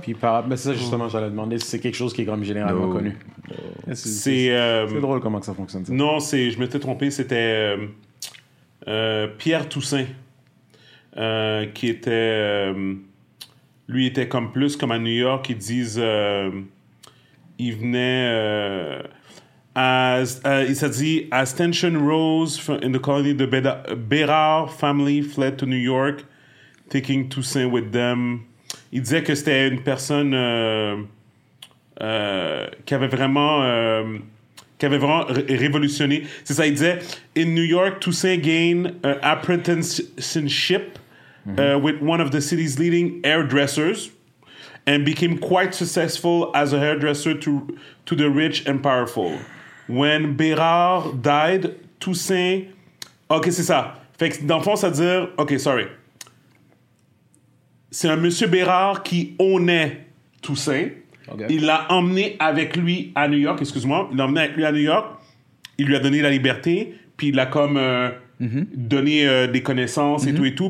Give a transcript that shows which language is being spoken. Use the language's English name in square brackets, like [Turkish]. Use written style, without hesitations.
[French] Puis mais c'est ça justement que j'allais demander. C'est quelque chose qui est comme généralement connu. C'est drôle comment que ça fonctionne. Ça. Non, c'est je m'étais trompé. C'était Pierre Toussaint qui était lui était comme plus comme à New York. Ils disent il venait. [English] As tension rose in the colony, the Bérard family fled to New York, taking Toussaint with them. [French] Il disait que c'était une personne qui avait vraiment révolutionné. C'est ça, il disait, [English] in New York, Toussaint gained an apprenticeship with one of the city's leading hairdressers and became quite successful as a hairdresser to the rich and powerful. When Bérard died, Toussaint... [French] OK, c'est ça. Fait que, dans le fond, ça veut dire... [English] OK, sorry. [French] C'est un monsieur Bérard qui honnait Toussaint. Okay. Il l'a emmené avec lui à New York. Excuse-moi. Il l'a emmené avec lui à New York. Il lui a donné la liberté. Puis il a comme donné des connaissances et tout.